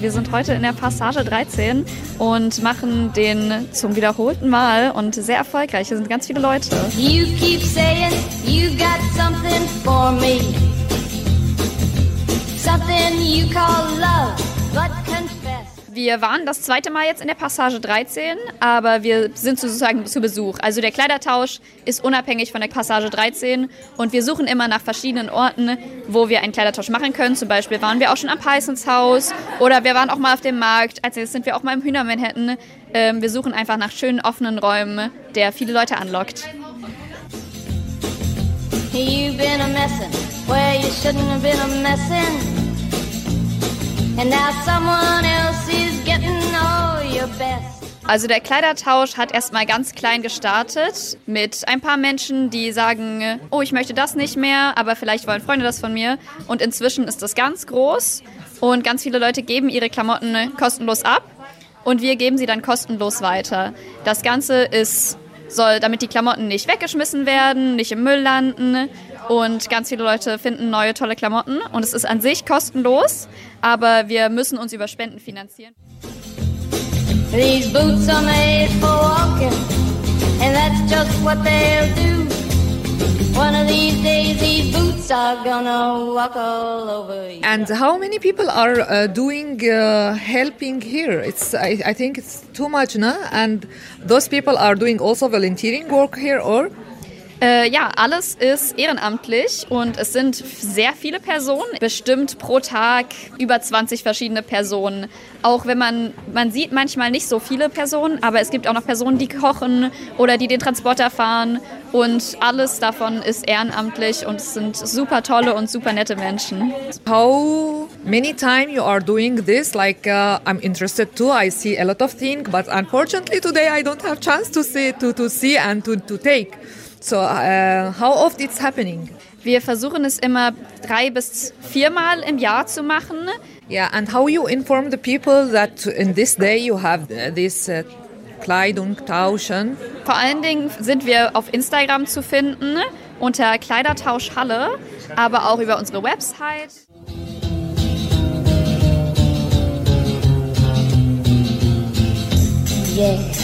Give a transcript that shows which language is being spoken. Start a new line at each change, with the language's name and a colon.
German: Wir sind heute in der Passage 13 und machen den zum wiederholten Mal und sehr erfolgreich. Hier sind ganz viele Leute.
English: You keep saying you got something for me. Something you call love, but confess.
German: Wir waren das zweite Mal jetzt in der Passage 13, aber wir sind sozusagen zu Besuch. Also der Kleidertausch ist unabhängig von der Passage 13 und wir suchen immer nach verschiedenen Orten, wo wir einen Kleidertausch machen können. Zum Beispiel waren wir auch schon am Pisons Haus oder wir waren auch mal auf dem Markt. Als nächstes sind wir auch mal im Hühner Manhattan. Wir suchen einfach nach schönen offenen Räumen, der viele Leute anlockt.
English: You've been a messin' where you shouldn't have been a messin'. And now someone else is getting all your best.
German: Also der Kleidertausch hat erstmal ganz klein gestartet mit ein paar Menschen, die sagen, oh, ich möchte das nicht mehr, aber vielleicht wollen Freunde das von mir. Und inzwischen ist das ganz groß und ganz viele Leute geben ihre Klamotten kostenlos ab und wir geben sie dann kostenlos weiter. Das Ganze soll, damit die Klamotten nicht weggeschmissen werden, nicht im Müll landen. Und ganz viele Leute finden neue, tolle Klamotten. Und es ist an sich kostenlos, aber wir müssen uns über Spenden finanzieren.
English: These boots are made for walking, and that's just what they'll do. One of these days these boots are gonna walk all over you. And how many people are doing helping here? I think it's too much, no? And those people are doing also volunteering work here, or?
German: Ja, alles ist ehrenamtlich und es sind sehr viele Personen, bestimmt pro Tag über 20 verschiedene Personen. Auch wenn man sieht manchmal nicht so viele Personen, aber es gibt auch noch Personen, die kochen oder die den Transporter fahren und alles davon ist ehrenamtlich und es sind super tolle und super nette Menschen.
English: How many time you are doing this? Like I'm interested too, I see a lot of things, but unfortunately today I don't have chance to see and to take. So, how often it's happening?
German: Wir versuchen es immer 3 bis 4 Mal im Jahr zu machen.
English: Yeah, and how you inform the people that in this day you have this Kleidung tauschen?
German: Vor allen Dingen sind wir auf Instagram zu finden unter Kleidertausch Halle, aber auch über unsere Website.
English: Yeah.